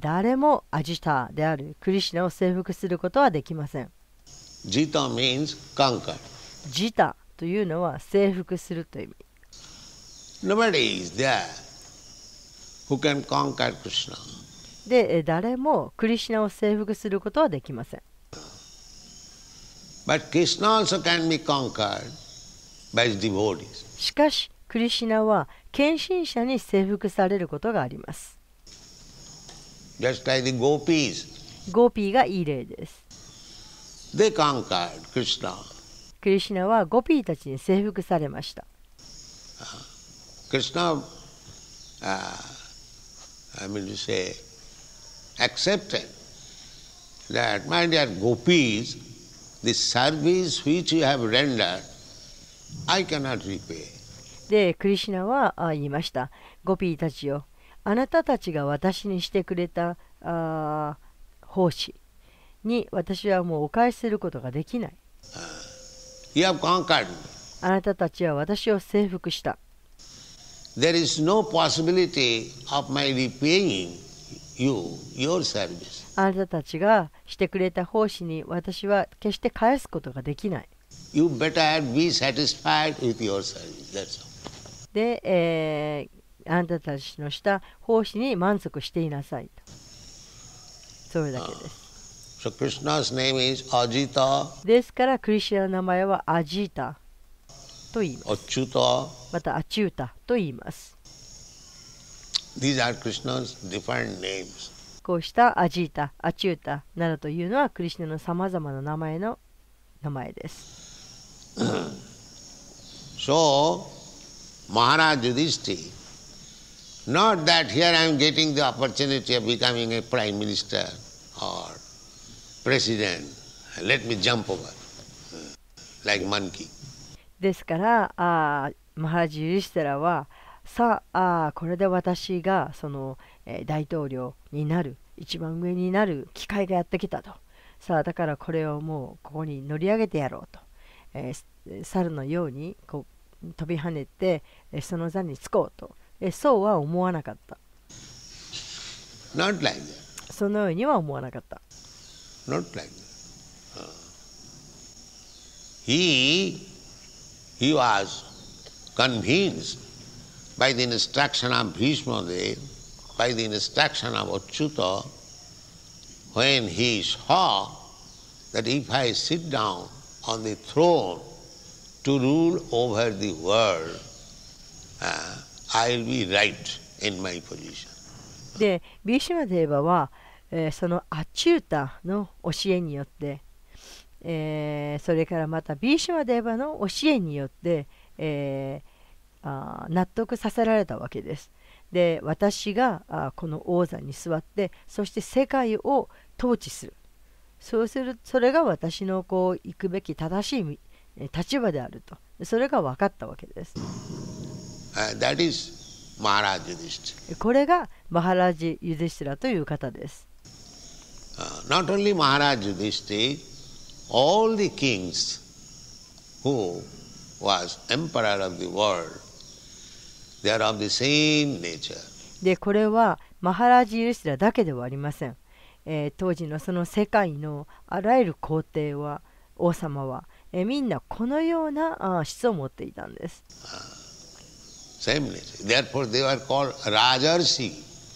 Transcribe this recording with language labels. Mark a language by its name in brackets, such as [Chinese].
[Japanese] 誰もアジタであるクリシュナを征服することはできません。 [English] Jita means conquer. [Japanese] Jita というのは征服するという意味。 [English] Nobody is there who can conquer Krishna. [Japanese] で、誰もクリシュナを征服することはできません。 [English] But Krishna also can be conquered by his devotees. [Japanese] しかし、クリシュナは献身者に征服されることがあります。 [English] Just like the gopis. [Japanese] ゴピーがいい例です。 [English] They conquered Krishna. [Japanese] クリシュナはゴピーたちに征服されました。 [English] Krishna, I mean to say, accepted that, my dear gopis, the service which you have rendered, I cannot repay. [Japanese] で、クリシュナは言いました。ゴピーたちよ、あなたたちが私にしてくれた奉仕に私はもうお返しすることができない。 [English] You have conquered me. [Japanese] あなたたちは私を征服した。 [English] There is no possibility of my repaying you your service. [Japanese] あなたたちがしてくれた奉仕に私は決して返すことができない。 [English] You better be satisfied with your service. That's all. [Japanese] で、あなたたちのした奉仕に満足していなさいと。それだけです。 [English] So Krishna's name is Ajita. [Japanese] ですからクリシュナの名前はアジータ。と言います。アチュータ。またアチュータと言います。 [English] These are Krishna's different names. [Japanese] こうしたアジータ、アチュータなどというのはクリシュナのさまざまな名前の名前です。 [English] So, Maharaj Yudhishthira, Not that here I am getting the opportunity of becoming a prime minister or president. Let me jump over like monkey. [Japanese] ですから、マハジュリシタラはさあ、これで私がその、大統領になる、一番上になる機会がやってきたと。さあ、だからこれをもうここに乗り上げてやろうと、猿のようにこう飛び跳ねて、その座に着こうと、そうは思わなかった。 [English] Not like that. [Japanese] そのようには思わなかった。 [English] Not like that. He was convinced by the instruction of Bhishma Dev, by the instruction of Achyuta, when he saw that if I sit down on the throne to rule over the world, I'll be right in my position. [Japanese] で、ビシュマデーバは、そのアチュータの教えによって、それからまたビシュマデーバの教えによって、納得させられたわけです。で、私がこの王座に座って、そして世界を統治する。そうする、それが私のこう行くべき正しい立場であると、それが分かったわけです。 [English] That is Maharaj Yudhishthira. [Japanese] これがマハラジ・ユディシュラという方です。 [English] Not only Maharaj Yudhishthira, all the kings who was emperor of the world, they are of the same nature. [Japanese] で、これはマハラジ・ユディシュラだけではありません。当時のその世界のあらゆる皇帝は、王様は、みんなこのような質を持っていたんです。 [English] Therefore, they were called Rajarshi.